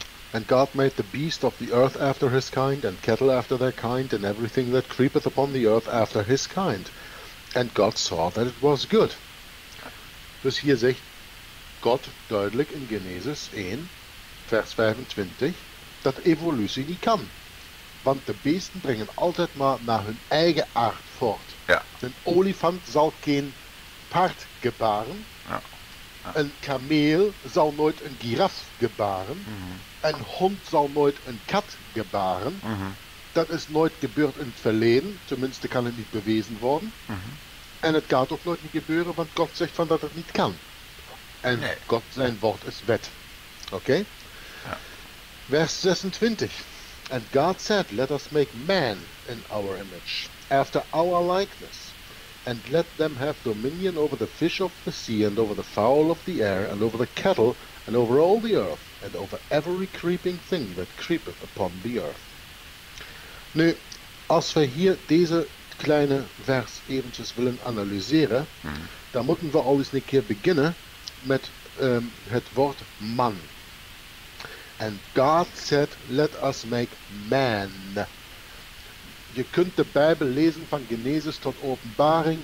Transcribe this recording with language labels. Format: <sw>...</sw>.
<en>And God made the beast of the earth after his kind, and cattle after their kind, and everything that creepeth upon the earth after his kind. And God saw that it was good.</en> <nl>Dus hier zegt God duidelijk in Genesis 1, vers 25, dat evolutie niet kan. Want de beesten brengen altijd maar naar hun eigen aard voort. Ja. Een olifant zal geen paard gebaren. Ja. Ja. Een kameel zal nooit een giraf gebaren. Mm-hmm. Een hond zal nooit een kat gebaren. Mm-hmm. Dat is nooit gebeurd in het verleden. Tenminste kan het niet bewezen worden. Mm-hmm. En het gaat ook nooit niet gebeuren, want God zegt van dat het niet kan. En nee. God zijn woord is wet. Oké? Ja. Vers 26.</nl> <en>And God said, let us make man in our image, after our likeness, and let them have dominion over the fish of the sea, and over the fowl of the air, and over the cattle, and over all the earth, and over every creeping thing that creepeth upon the earth.</en> <nl>Nu, als we hier deze kleine vers eventjes willen analyseren, dan moeten we al eens een keer beginnen met het woord man. And God said, let us make man. Je kunt de Bijbel lezen van Genesis tot Openbaring.</nl>